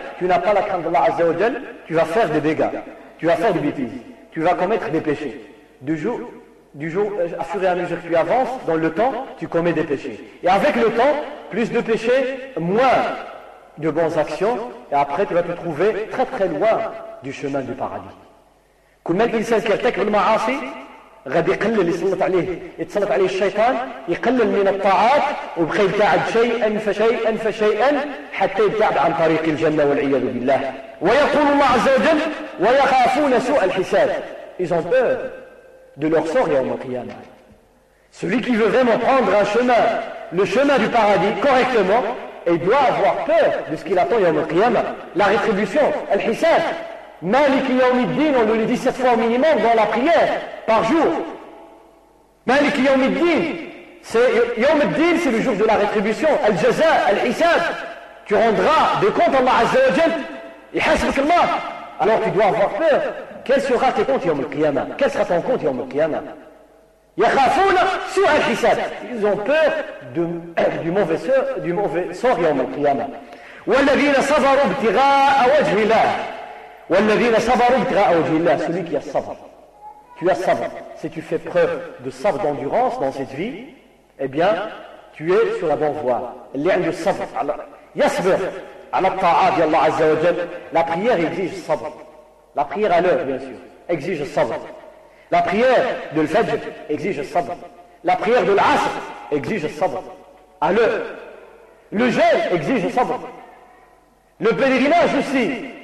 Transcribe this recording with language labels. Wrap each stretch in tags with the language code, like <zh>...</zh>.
<fr>Tu n'as pas la crainte d'Allah azza wa jalla, tu vas faire des dégâts, tu vas faire des bêtises, tu vas commettre des péchés. Du jour, à fur et à mesure que tu avances dans le temps, tu commets des péchés. Et avec le temps, plus de péchés, moins de bonnes actions, et après tu vas te trouver très très loin du chemin du paradis.</fr> <ar>كما الانسان كيرتكب المعاصي غادي يقلل اللي يسلط عليه يتسلط عليه الشيطان يقلل من الطاعات ويبقى يبتعد شيئا فشيئا فشيئا حتى يبتعد عن طريق الجنه والعياذ بالله ويقول الله عز وجل ويخافون سوء الحساب</ar> <fr>ils ont peur de leur sort</fr> <ar>يوم القيامه.</ar> <fr>Celui qui veut vraiment prendre un chemin, le chemin du paradis correctement, et doit avoir peur de ce qu'il attend</fr> <ar>يوم القيامه,</ar> <fr>la rétribution, الحساب.</fr> <ar>Malik yawm al-din,</ar> <fr>on le dit 7 fois au minimum dans la prière par jour. Malik yawm al-din, yawm al-din, c'est le jour de la rétribution, al-jaza, al-hisab. Tu rendras des comptes à Allah azza wa jalla, et hasbuk Allah. Alors tu dois avoir peur. Quel sera tes comptes yawm al-qiyama? Quel sera ton compte yawm al-qiyama?</fr> <ar>Yakhafuna su al-hisab.</ar> <fr>Ils ont peur du mauvais sort yawm al-qiyama.</fr> <ar>Walladhina sabaru ibtigha'a wajhi Allah. والذين صبروا ابتغاء وجه الله.</ar> <fr>Celui qui a sabr, tu as sabr, si tu fais preuve de sabr, d'endurance dans cette vie, eh bien tu es sur la bonne voie.</fr> <ar>اللي عنده صبر يصبر على الطاعات يا الله عز وجل.</ar> <fr>La prière exige sabr, la prière à l'heure bien sûr exige sabr, la prière de l'fajr exige sabr, la prière de l'asr exige sabr à l'heure, le jeûne exige sabr, le pèlerinage aussi.</fr>